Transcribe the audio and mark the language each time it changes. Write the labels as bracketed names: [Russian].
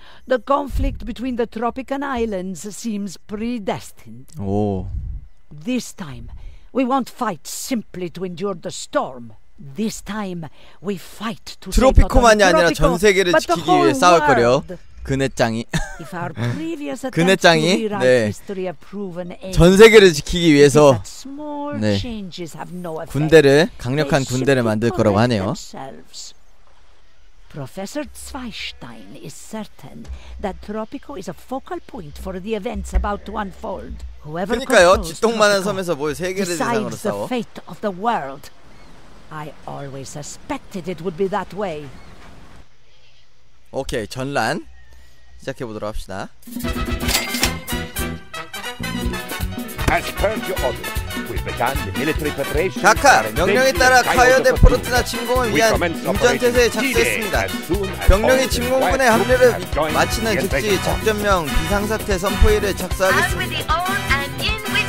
[English] The conflict between the Tropican Islands seems predestined. 오. This time, we won't fight simply to endure the storm. This time we fight to. [Korean] 트로피코만이 아니라 전 세계를 지키기 위해 싸울 거려. 그네짱이. 그네짱이. 네. 전 세계를 지키기 위해서. 네. 군대를 강력한 군대를 만들 거라고 하네요. [English] Professor Zweistein is certain that Tropico is a focal point for the events about to unfold. Whoever. [Korean] 그러니까요. 지똥만한 섬에서 뭘 세계를 대상으로 싸워. [English] Decides the fate of the world. I always suspected it would be that way. [Korean] 오케이, 전란 시작해 보도록 합시다. [English] As per your order, we began the military preparation. [Korean] 각하, 명령에 따라 카이어데 포르트나 침공을 위한 임전 태세에 착수했습니다. 병력이 침공군의 합류를 마치는 즉시 작전명 비상사태 선포일을 작성하겠습니다.